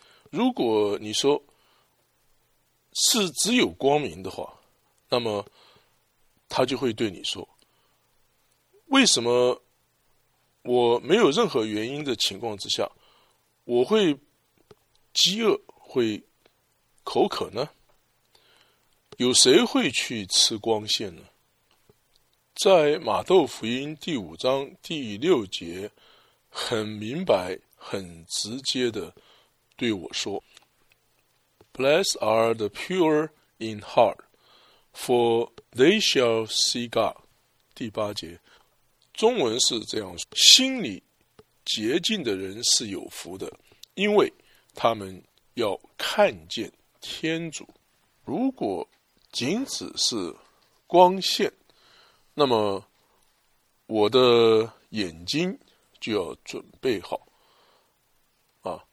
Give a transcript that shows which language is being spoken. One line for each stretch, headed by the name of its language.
Chinese: 如果你说是只有光明的话，那么他就会对你说，为什么我没有任何原因的情况之下我会饥饿会口渴呢？有谁会去吃光线呢？在马窦福音第5:6很明白很直接的对我说，
English: Blessed are the pure in heart, for they shall see God。
Chinese: 第八节中文是这样说，心里洁净的人是有福的，因为他们要看见天主。如果仅只是光线，那么我的眼睛就要准备好啊。